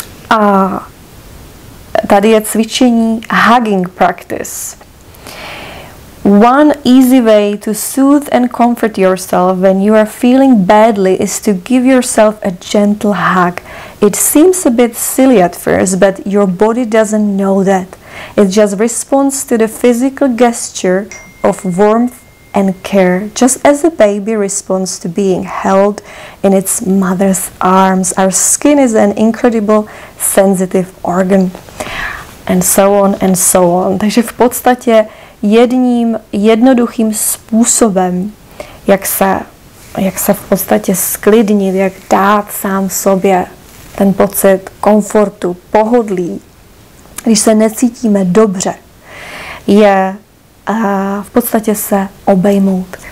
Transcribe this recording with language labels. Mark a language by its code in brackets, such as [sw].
[cs] A tady je cvičení Hugging Practice. [en] One easy way to soothe and comfort yourself when you are feeling badly is to give yourself a gentle hug. It seems a bit silly at first, but your body doesn't know that. It just responds to the physical gesture of warmth and care, just as a baby responds to being held in its mother's arms. Our skin is an incredible sensitive organ. And so on and so on. [cs] Takže v podstatě jedním jednoduchým způsobem, jak se v podstatě sklidnit, jak dát sám sobě ten pocit komfortu, pohodlí, když se necítíme dobře, je v podstatě se obejmout.